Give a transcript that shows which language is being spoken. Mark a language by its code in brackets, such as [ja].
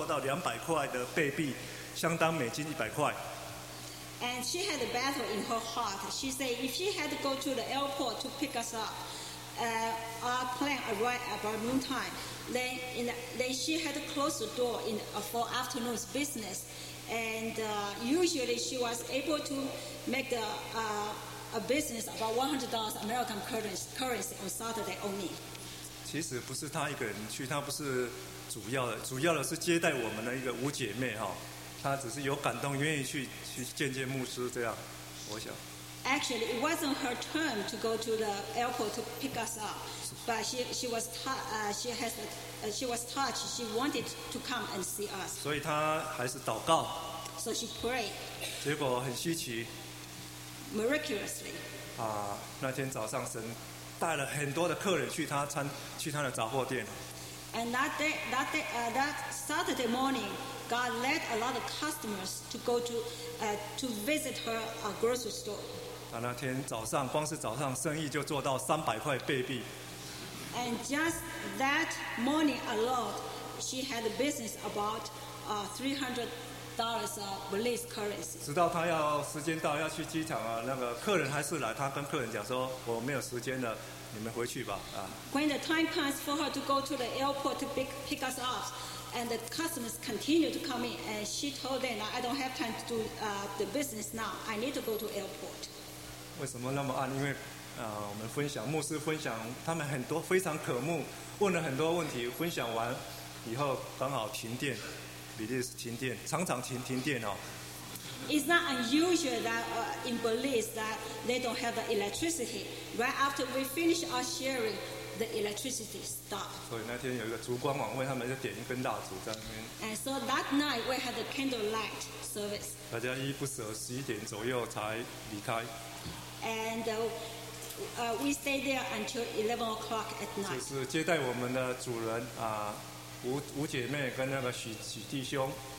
[zh] 但是呢，他又有一个征战，就是礼拜六生意一般都比较不好。如果他下午，我们的飞机是中午到，他如果关门的话，下午就不能做生意。礼拜六一般都是做到200块的贝币，相当美金100块。 [en] And she had a battle in her heart. She said, if she had to go to the airport to pick us up, our plane arrived about noontime. Then she had to close the door in for afternoon's business. And usually she was able to make a business about $100 American currency on Saturday only. [zh] 其实不是她一个人去，她不是主要的，主要的是接待我们的一个五姐妹。他只是有感动，愿意去见见牧师，这样，我想。 [en] Actually, it wasn't her turn to go to the airport to pick us up, but she was touched. She wanted to come and see us. [zh] 所以她还是祷告。 [en] So she prayed. [zh] 结果很稀奇。 [en] Miraculously. [zh] 那天早上神带了很多的客人去他的杂货店。 [en] And that Saturday morning. God led a lot of customers to go to to visit her grocery store. [zh] 那天早上光是早上, 生意就做到300块币。 [en] And just that morning alone, she had a business about $300 of Belize currency. [zh] 直到她要时间到要去机场啊, 那个客人还是来, 她跟客人讲说, 我没有时间了, 你们回去吧, [en] When the time comes for her to go to the airport to pick us up, and the customers continue to come in, and she told them, I don't have time to do the business now, I need to go to airport. [zh] 为什么那么暗? 因为, 我们分享, 牧师分享, 他们很多, 非常渴慕, 问了很多问题, 分享完, 以后, 刚好停电, 比利时停电, 常常停电, [en] It's not unusual that in Belize that they don't have the electricity. Right after we finish our sharing, the electricity stopped. And so that night we had the candlelight service. [zh] 大家依不舍, 11点左右才离开。 [en] And we stayed there until 11 o'clock at night. [zh] 就是接待我们的主人, 吴姐妹跟那个许弟兄。